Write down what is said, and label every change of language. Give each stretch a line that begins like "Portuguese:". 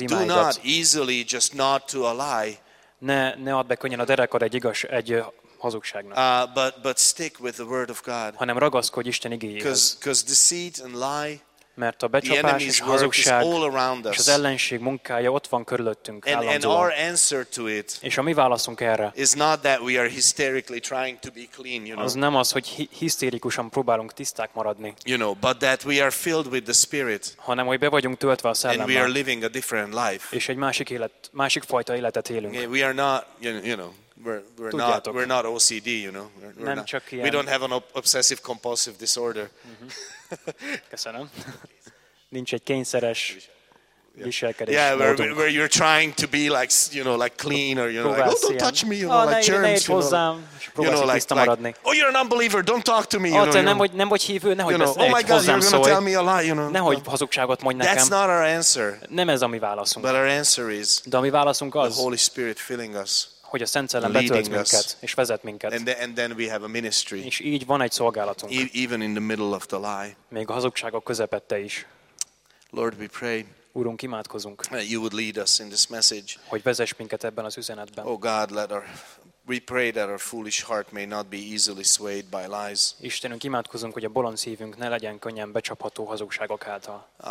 Hungarian: imádat.
English: Do not easily just nod to a lie.
Hungarian: Ne add be könnyen a derekad egy hazugságnak.
English: But stick with the word of God.
Hungarian: Hanem ragaszkodj Isten igéjéhez.
English: Because deceit and lie,
Hungarian: mert a becsapás és hazugság
English: all around us.
Hungarian: És az ellenség munkája ott van körülöttünk állandóan.
English: And our answer to it,
Hungarian: és a mi válaszunk erre,
English: is not that we are hysterically trying to be clean, you know.
Hungarian: Az nem az, hogy hisztérikusan próbálunk tiszták maradni.
English: You know, but that we are filled with the spirit.
Hungarian: Hanem hogy be vagyunk töltve a szellemmel.
English: And we are living a different life.
Hungarian: És egy másik fajta életet élünk.
English: We are not, you know, we're not OCD, you know.
Hungarian: Nem
English: not,
Hungarian: csak ilyen.
English: We don't have an obsessive compulsive disorder.
Hungarian: Köszönöm. Nincs egy kényszeres viselkedés.
English: Yeah, where you're trying to be like, you know, like clean or you know, like, oh, don't touch me, you know, like germs, you know, like, oh, you're an unbeliever, don't talk to me, you know.
Hungarian: Nem vagy hívő, nehogy beszélj.
English: Oh my God, you're gonna tell me a lie, you know.
Hungarian: Nehogy hazugságot mondj nekem.
English: That's not our answer.
Hungarian: Nem ez a mi válaszunk.
English: But our answer is.
Hungarian: De a mi válaszunk az.
English: The Holy Spirit filling us.
Hungarian: Hogy a Szent Szellem betölt minket és vezet minket.
English: And then we have a ministry.
Hungarian: És így van egy szolgálatunk.
English: Even in the middle of the lie.
Hungarian: Még a hazugságok közepette is.
English: Lord, we pray.
Hungarian: Urunk, imádkozunk.
English: You would lead us in this message.
Hungarian: Hogy vezess minket ebben az üzenetben.
English: Oh God, we pray that our foolish heart may not be easily swayed by lies.
Hungarian: Istenünk, imádkozunk, hogy a bolond szívünk ne legyen könnyen becsapható hazugságok által.